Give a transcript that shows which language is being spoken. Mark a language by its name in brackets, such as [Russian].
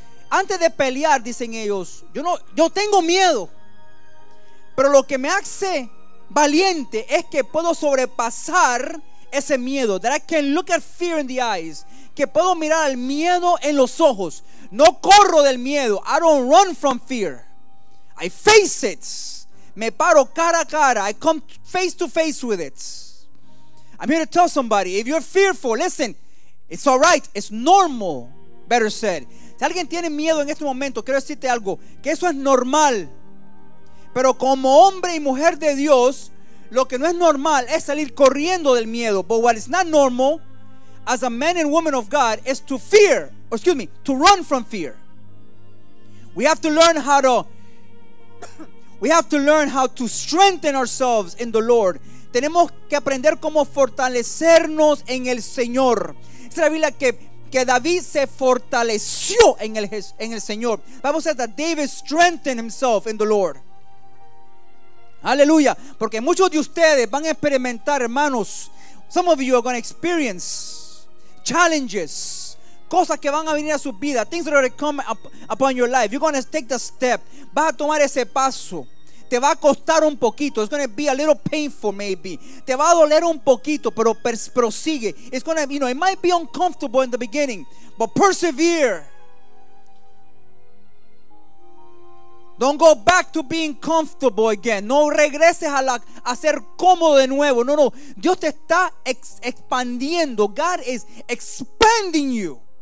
[Spanish] Antes de pelear, dicen ellos, yo tengo miedo, pero lo que me hace valiente es que puedo sobrepasar ese miedo. [English] That I can look at fear in the eyes. [Spanish] Que puedo mirar al miedo en los ojos. No corro del miedo. [English] I don't run from fear. I face it. [Spanish] Me paro cara a cara. [English] I come face to face with it. I'm here to tell somebody, if you're fearful, listen, it's all right. It's normal, better said. [Spanish] Si alguien tiene miedo en este momento, quiero decirte algo, que eso es normal. Pero como hombre y mujer de Dios, lo que no es normal es salir corriendo del miedo. [English] But what is not normal as a man and woman of God is to fear, or excuse me, to run from fear. We have to learn how to strengthen ourselves in the Lord. [Spanish] Tenemos que aprender cómo fortalecernos en el Señor. Es la Biblia que David se fortaleció en el Señor. Vamos a decir [English] that David strengthened himself in the Lord. [Spanish] Aleluya. Porque muchos de ustedes van a experimentar, hermanos, [English] some of you are going to experience challenges, [Spanish] cosas que van a venir a su vida, [English] things that are coming upon your life. You're going to take the step. [Spanish] Vas a tomar ese paso. Te va a costar un poquito. [English] It's going to be a little painful, maybe. [Spanish] Te va a doler un poquito, pero prosigue. [English] It's going to, you know, it might be uncomfortable in the beginning, but persevere. Don't go back to being comfortable again. [Spanish] No regreses a ser cómodo de nuevo. No, no. Dios te está expandiendo. [English] God is expanding you.